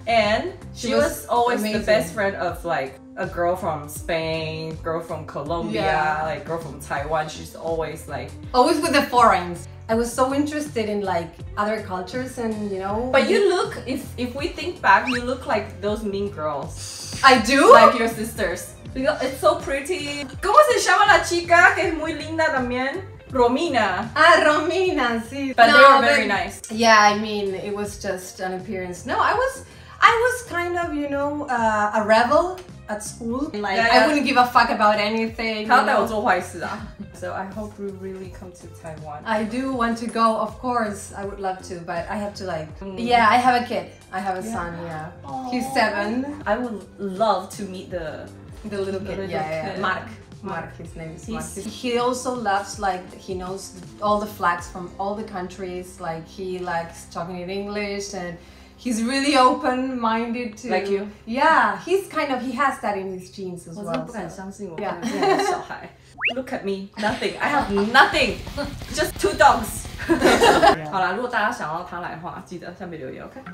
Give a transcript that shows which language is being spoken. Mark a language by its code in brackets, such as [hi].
[en] And she was always amazing. The best friend of like a girl from Spain, girl from Colombia, like girl from Taiwan. She's always like always with the foreigns. I was so interested in like other cultures and you know. But you look, if we think back, you look like those mean girls. I do? Like your sisters. Because it's so pretty. [es] ¿Cómo se llama la chica que es muy linda también? Romina. Ah, Romina, sí. [en] But no, they were very nice. Yeah, I mean, it was just an appearance. No, I was kind of, you know, a rebel at school. Like, yeah, yeah. I wouldn't give a fuck about anything. How did I do bad things? So I hope you really come to Taiwan. I do want to go, of course. I would love to, but I have to like... Yeah, I have a kid. I have a son, yeah. Aww. He's 7. I would love to meet the... The little kid. Yeah. Mark, his name is Mark. He also loves, like, he knows all the flags from all the countries. Like, he likes talking in English and... He's really open-minded too. Like you? Yeah, he has that in his genes as well. [zh] 我真的不敢相信我会有这样的小孩。 [en] Look at me, nothing. I have nothing. Just two dogs. [zh] 好啦，如果大家想要他来的话，记得下面留言 ，OK?